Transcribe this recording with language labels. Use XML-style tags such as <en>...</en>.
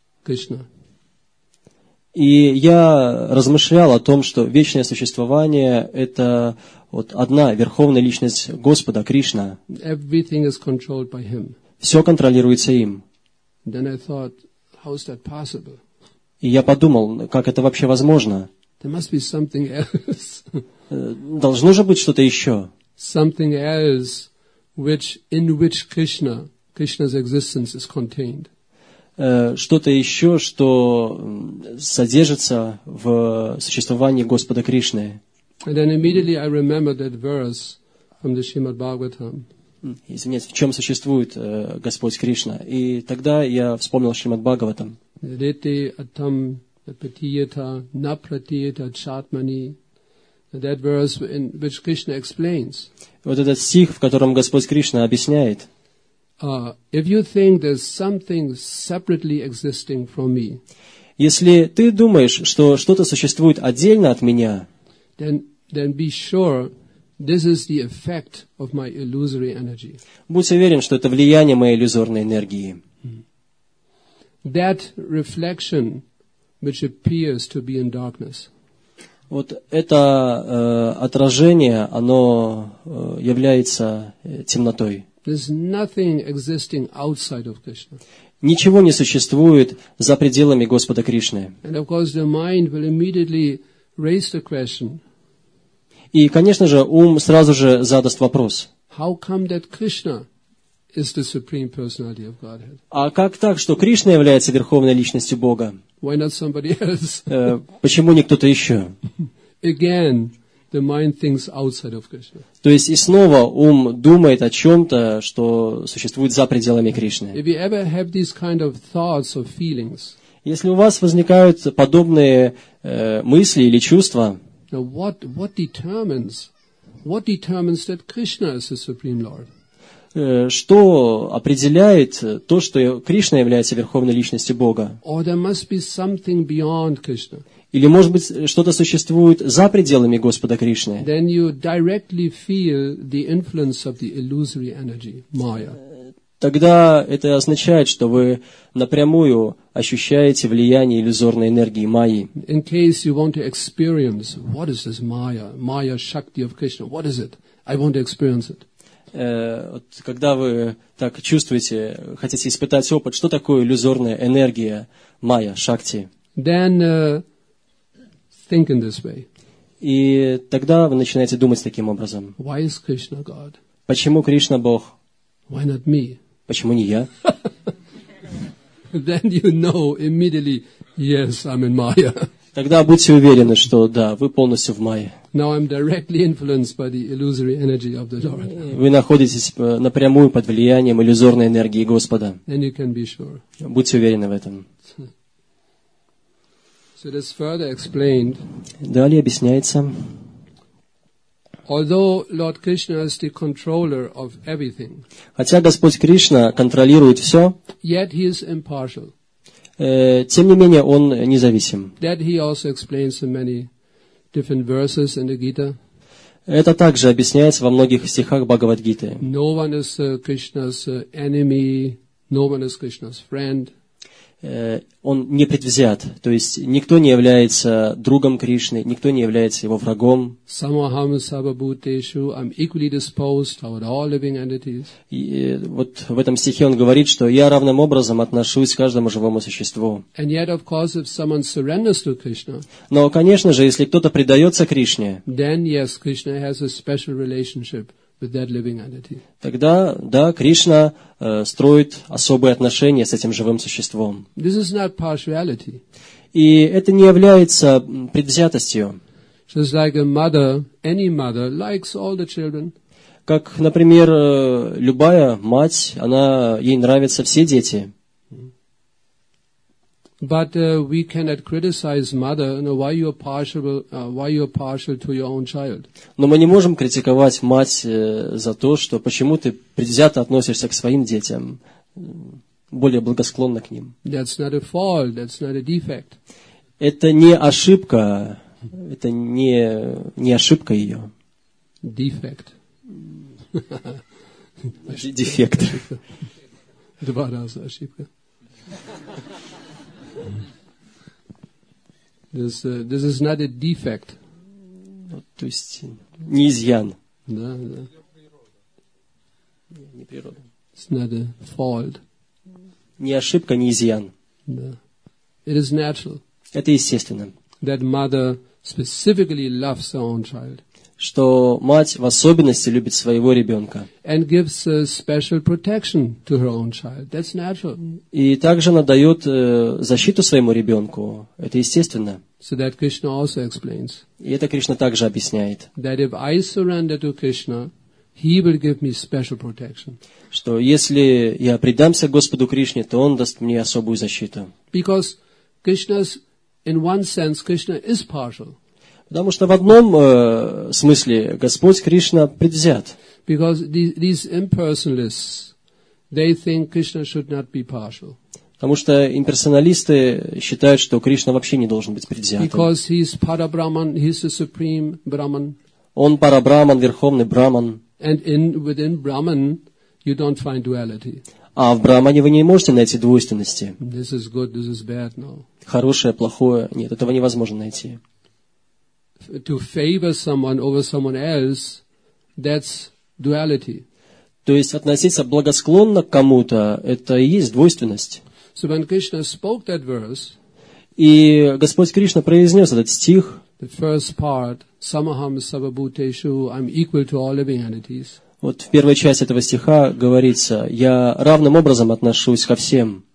<ru>Кришна. И я размышлял о том, что вечное существование – это вот одна верховная личность Господа, Кришна.</ru> <en>Everything is controlled by him.</en> <ru>Все контролируется им.</ru> <en>Then I thought, how is that possible?</en> <ru>И я подумал, как это вообще возможно?</ru> <en>There must be something else.</en> <ru>Должно же быть что-то еще.</ru> <en>Something else, which, in which Krishna's existence is contained.</en> <ru>Что-то еще, что содержится в существовании Господа Кришны.</ru> <en>And then immediately I remembered that verse from the Srimad Bhagavatam.</en> <ru>Извините, в чем существует Господь Кришна? И тогда я вспомнил Шримад Бхагаватам.</ru> <sa>Риты атам патиета на пратиета чатмани.</sa> <en>That verse in which Krishna explains.</en> <ru>Вот этот стих, в котором Господь Кришна объясняет.</ru> <en>If you think there's something separately existing from me,</en> <ru>если ты думаешь, что что-то существует отдельно от меня,</ru> <en>then be sure this is the effect of my illusory energy.</en> <ru>Будь уверен, что это влияние моей иллюзорной энергии.</ru> <en>That reflection which appears to be in darkness.</en> <ru>Вот это отражение, оно является темнотой.</ru> <en>There's nothing existing outside of Krishna.</en> <ru>Ничего не существует за пределами Господа Кришны.</ru> <en>And of course the mind will immediately raise the question.</en> <ru>И, конечно же, ум сразу же задаст вопрос.</ru> <en>How come that Krishna is the supreme personality of Godhead?</en> <ru>А как так, что Кришна является верховной личностью Бога?</ru> <en>Why not somebody else?</en> <ru>Почему не кто-то еще?</ru> <en>Again, the mind thinks outside of Krishna.</en> <ru>То есть и снова ум думает о чем-то, что существует за пределами Кришны.</ru> <en>If you ever have these kind of thoughts or feelings,</en> <ru>если у вас возникают подобные мысли или чувства,</ru> <en>what determines that Krishna is the Supreme Lord?</en> <ru>Что определяет то, что Кришна является верховной личностью Бога?</ru> <en>Or there must be something beyond Krishna.</en> <ru>Или, может быть, что-то существует за пределами Господа Кришны.</ru> <en>Then you directly feel the influence of the illusory energy, Maya.</en> <ru>тогда это означает, что вы напрямую ощущаете влияние иллюзорной энергии Майи.</ru> <en>In case you want to experience, what is this Maya, Maya Shakti of Krishna, what is it? I want to experience it.</en> <ru>Вот, когда вы так чувствуете, хотите испытать опыт, что такое иллюзорная энергия Майя, Шакти?</ru> <en>Then, think in this way.</en> <ru>И тогда вы начинаете думать таким образом.</ru> <en>Why is Krishna God?</en> <ru>Почему Кришна Бог?</ru> <en>Why not me?</en> <ru>Почему не я?</ru> <en>Then you know immediately, yes, I'm in Maya.</en> <ru>Тогда будьте уверены, что да, вы полностью в Майе.</ru> <en>Now I'm directly influenced by the illusory energy of the Lord.</en> <ru>Вы находитесь напрямую под влиянием иллюзорной энергии Господа.</ru> <en>And you can be sure.</en> <ru>Будьте уверены в этом.</ru> <en>So it is further explained.</en> <ru>Далее объясняется.</ru> <en>Although Lord Krishna is the controller of everything.</en> <ru>Хотя Господь Кришна контролирует все.</ru> <en>Yet he is impartial.</en> <ru>Тем не менее, он независим.</ru> <en>That he also explains in many different verses in the Gita.</en> <ru>Это также объясняется во многих стихах Бхагавад-гиты.</ru> <en>No one is Krishna's enemy, no one is Krishna's friend.</en> <ru>Он не предвзят, то есть никто не является другом Кришны, никто не является его врагом.</ru> <sa>Самахам сабабутешу,</sa> <en>I'm equally disposed toward all living entities.</en> <ru>И вот в этом стихе он говорит, что я равным образом отношусь к каждому живому существу.</ru> <en>And yet, of course, if someone surrenders to Krishna,</en> <ru>но, конечно же, если кто-то предается Кришне,</ru> <en>then yes, Krishna has a special relationship. With that living entity.</en> <ru>Тогда, да, Кришна строит особые отношения с этим живым существом.</ru> <en>This is not partiality.</en> <ru>И это не является предвзятостью.</ru> <en>Just like a mother, any mother likes all the children.</en> <ru>Как, например, любая мать, она, ей нравятся все дети.</ru> <en>But we cannot criticize mother. You know, why you are partial? Why you are partial to your own child?</en> <ru>Но мы не можем критиковать мать за то, что почему ты предвзято относишься к своим детям, более благосклонно к ним.</ru> <en>That's not a fault. That's not a defect.</en> <ru>Это не ошибка. Это не ошибка ее.</ru> <en>Defect.</en> <ru>Дефект. Два раза ошибка.</ru> <en>This is not a defect.</en> <ru>То есть не изъян. Да, да. Не природа.</ru> <en>It's not a fault.</en> <ru>Не ошибка, не изъян. Да.</ru> <en>It is natural.</en> <ru>Это естественно.</ru> <en>That mother specifically loves her own child.</en> <ru>Что мать в особенности любит своего ребенка.</ru> <en>And gives a special protection to her own child. That's natural.</en> <ru>И также она дает защиту своему ребенку. Это естественно.</ru> <en>So that Krishna also explains.</en> <ru>И это Кришна также объясняет.</ru> <en>That if I surrender to Krishna, he will give me special protection.</en> <ru>Что если я предамся Господу Кришне, то он даст мне особую защиту.</ru> <en>Because Krishna's, in one sense, Krishna is partial.</en> <ru>Потому что в одном смысле Господь Кришна предвзят.</ru> <en>Because these impersonalists, they think Krishna should not be partial.</en> <ru>Потому что имперсоналисты считают, что Кришна вообще не должен быть предвзятым.</ru> <en>Because he is Parabrahman, he is the supreme Brahman.</en> <ru>Он Парабрахман, верховный Брахман.</ru> <en>And in within Brahman, you don't find duality.</en> <ru>А в Брахмане вы не можете найти двойственности.</ru> <en>This is good, this is bad, no.</en> <ru>Хорошее, плохое, нет, этого невозможно найти.</ru> <en>To favor someone over someone else, that's duality.</en> <ru>То есть относиться благосклонно к кому-то, это и есть двойственность.</ru> <en>So when Krishna spoke that verse,</en> <ru>и Господь Кришна произнес этот стих,</ru> <en>the first part,</en> <sa>Samaham Sabhabhuteshu,</sa> <en>I'm equal to all living entities.</en> <ru>Вот в первой части этого стиха говорится, я равным образом отношусь ко всем.</ru>